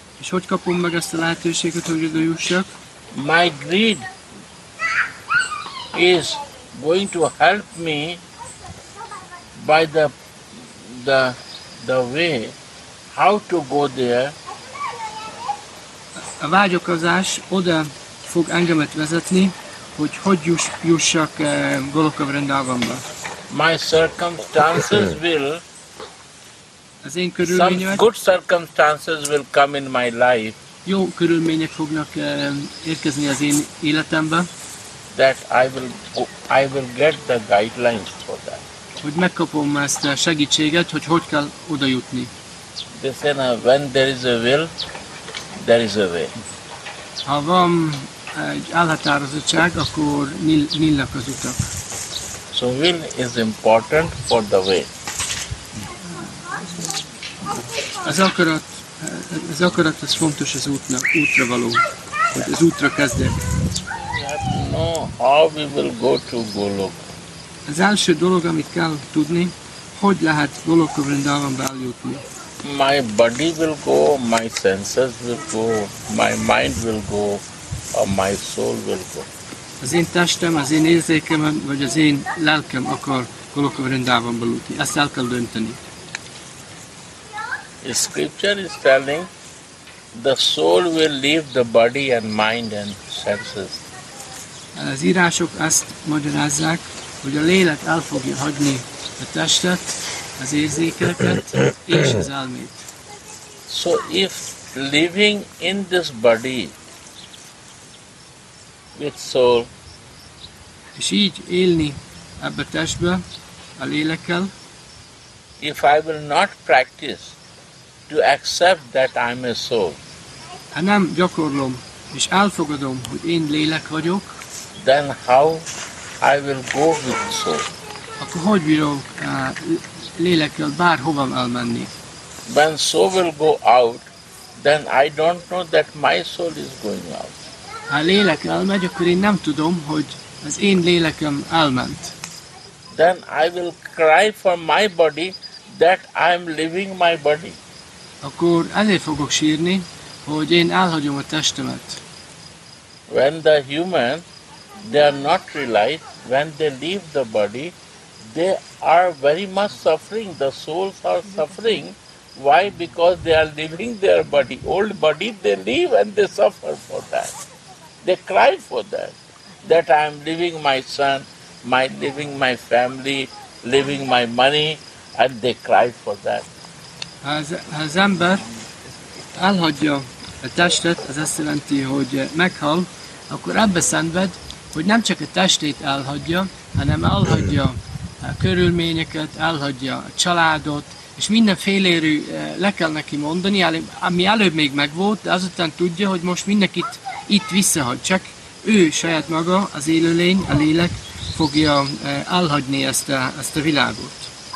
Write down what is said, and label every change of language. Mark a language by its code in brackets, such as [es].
[hu] És hogy kapom meg ezt a lehetőséget, hogy oda jussak? [en] My greed is going to help me by the way how to go there. [hu] A vágyakozás oda fog engemet vezetni, hogy hogy jussak Goloka Vrindavanba. [en] My circumstances will. [hu] Az én körülményem. [en] Some good circumstances will come in my life. [hu] Jó körülmények fognak érkezni az én életembe. [en] That I will get the guidelines for that. [hu] Hogy megkapom ezt a segítséget, hogy kell oda jutni. [en] They say, now, when there is a will, there is a way. [hu] Ha van egy elhatározottság, akkor nyílnak az utak. [en] So will is important for the way. [hu] Az akarat az fontos az útnak, útra való, hogy az útra kezdjek. [en] No, how we will go to Goloka. [hu] Az első dolog, amit kell tudni, hogy lehet Goloka Vrindavanba eljutni. [en] My body will go, my senses will go, my mind will go, or my soul will go. [hu] Az én testem, az én érzékem, vagy az én lelkem akar Goloka Vrindavanba eljutni. Ezt el kell dönteni. [en] The scripture is telling the soul will leave the body and mind and senses. [hu] Az írások azt magyarázzák, hogy a lélek el fogja hagyni a testet, az érzékeket és az elmét. [en] So if living in this body with soul, [hu] és így élni ebbe a testbe a lélekkel, [en] if I will not practice to accept that I am a soul, [hu] ha nem gyakorlom és elfogadom, hogy én lélek vagyok, [en] then how I will go with the soul? [hu] Akkor hogy bírom lélekkel bárhova elmenni? [en] When soul will go out, then I don't know that my soul is going out. [hu] Ha lélek elmegy, akkor én nem tudom, hogy az én lélekem elment. [en] Then I will cry for my body that I am leaving my body. [hu] Akkor ezért fogok sírni, hogy én elhagyom a testemet. [en] When the human, they are not realized, when they leave the body, they are very much suffering, the souls are suffering. Why? Because they are leaving their body, old body, they leave and they suffer for that. They cry for that, that I am leaving my son, my leaving my family, leaving my money, and they cry for that. [hu] Az ember elhagyja a testet, az azt jelenti, hogy meghal, akkor ebbe szenved, hogy nem csak a testét elhagyja, hanem elhagyja a körülményeket, elhagyja a családot, és mindenfélérű le kell neki mondani, ami előbb még megvolt, de azután tudja, hogy most mindenkit itt visszahagy, csak ő saját maga, az élőlény, a lélek fogja elhagyni ezt a világot.